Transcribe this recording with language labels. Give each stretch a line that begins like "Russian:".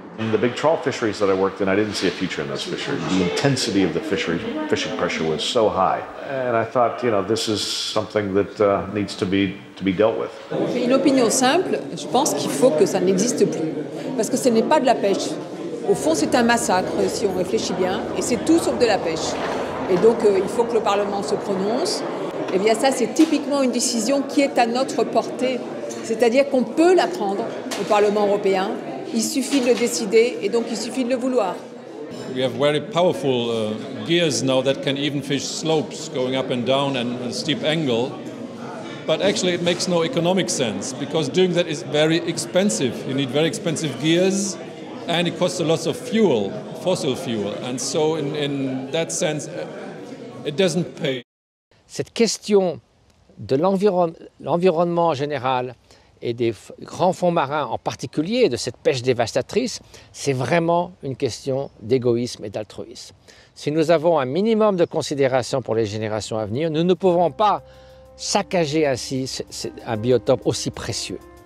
English: The big trawl fisheries that I worked in, I didn't see a future in those fisheries. The intensity of the fishery, fishing pressure was so high. And I thought, you know, this is something that needs to be dealt with.
French: Une opinion simple, je pense qu'il faut que ça n'existe plus. Parce que ce n'est pas de la pêche. Au fond, c'est un massacre, si on réfléchit bien. Et c'est tout sauf de la pêche. Et donc, il faut que le Parlement se prononce. Et bien ça, c'est typiquement une décision qui est à notre portée. C'est-à-dire qu'on peut la prendre au Parlement européen. Il suffit de le décider et donc il suffit de le vouloir.
English: We have very powerful gears now that can even fish slopes going up and down and a steep angle. But actually it makes no economic sense because doing that is very expensive. You need very expensive gears and it costs a lot of fuel, fossil fuel. And so in that sense it doesn't pay.
French: cette question de l'environnement en général et des grands fonds marins en particulier, de cette pêche dévastatrice, c'est vraiment une question d'égoïsme et d'altruisme. Si nous avons un minimum de considération pour les générations à venir, nous ne pouvons pas saccager ainsi un biotope aussi précieux.